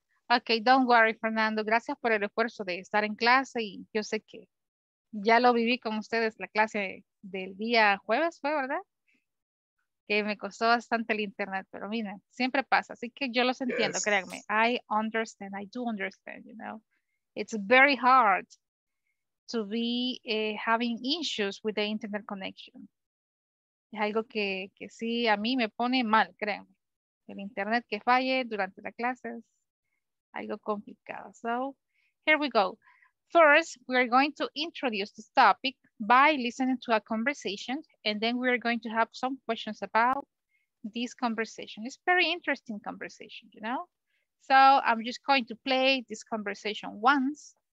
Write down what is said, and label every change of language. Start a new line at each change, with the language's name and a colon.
English: Ok, don't worry, Fernando.
Spanish: Gracias por el esfuerzo de estar en clase y yo sé que ya lo viví con ustedes la clase del día jueves, ¿fue, verdad? Que me costó bastante el internet, pero mira, siempre pasa. Así que yo los entiendo,
English: yes.
Spanish: Créanme.
English: I understand, I do understand, you know. It's very hard to be having issues with the internet connection.
Spanish: Es algo que sí a mí me pone mal, créanme. El internet que falle durante la clase es algo complicado.
English: So, here we go. First, we are going to introduce this topic by listening to a conversation, and then we are going to have some questions about this conversation. It's a very interesting conversation, you know? So I'm just going to play this conversation once.